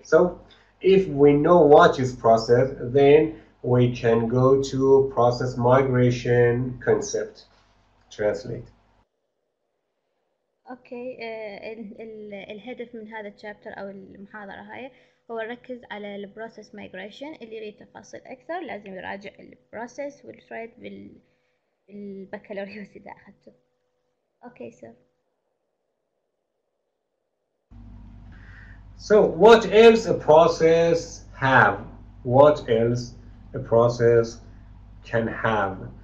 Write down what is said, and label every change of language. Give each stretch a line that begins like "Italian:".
English: So if we know what is process, then we can go to process migration concept. Translate. Okay.
Arabic: الهدف من هذا الشابتر أو المحاضرة هاي هو ركز على الـ process migration. اللي يريد تفاصيل أكثر لازم يراجع الـ process والـ thread بالبكالوريوس إذا أخذته.
English: Okay, sir. So what else a process have? What else a process can have?